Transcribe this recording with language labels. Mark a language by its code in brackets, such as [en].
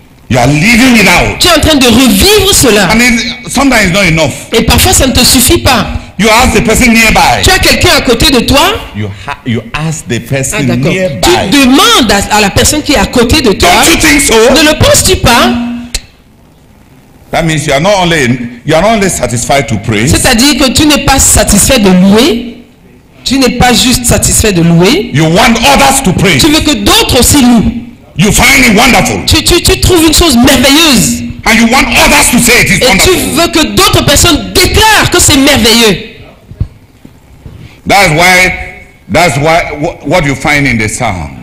[en] You are living it out. [fr] Tu es en train de revivre cela. [en] And sometimes it's not enough. [fr] Et parfois ça ne te suffit pas. [en] You ask the person nearby. [fr] Tu as quelqu'un à côté de toi. [en] You ask the person nearby. [fr] Tu demandes à la personne qui est à côté de toi. [en] Don't you think so? [fr] Ne le penses-tu pas? [en] That means you are not only satisfied to praise. [fr] C'est-à-dire que tu n'es pas satisfait de louer. Tu n'es pas juste satisfait de louer. [en] You want others to praise. [fr] Tu veux que d'autres aussi louent. [en] You find it wonderful. [fr] Tu trouves une chose merveilleuse. [en] And you want others to say it is wonderful. [fr] Et tu veux que d'autres personnes déclarent que c'est merveilleux. [en] That's why what you find in the Psalms.